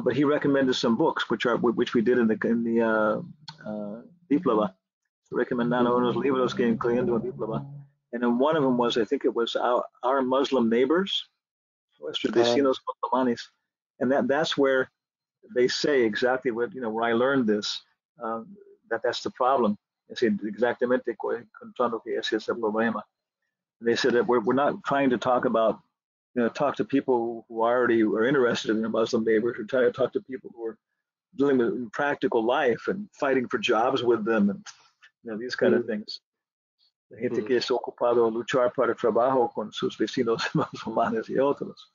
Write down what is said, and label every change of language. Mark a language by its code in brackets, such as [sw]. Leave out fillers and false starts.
[en] But he recommended some books, which we did in the Diploma. [es] So recomendando unos libros que incluyendo en Diploma. [en] And then one of them was, I think it was our Muslim neighbors, [es] nuestros vecinos musulmanes. [en] And that's where they say exactly what, you know, where I learned this, that's the problem. They say [es] exactamente contando que ese es el problema. [en] They said that we're not trying to talk about, you know, talk to people who already are interested in their Muslim neighbors, or try to talk to people who are dealing with practical life and fighting for jobs with them, and you know, these kind of things. [es] La gente que es ocupado a luchar para trabajo con sus vecinos musulmanes y otros.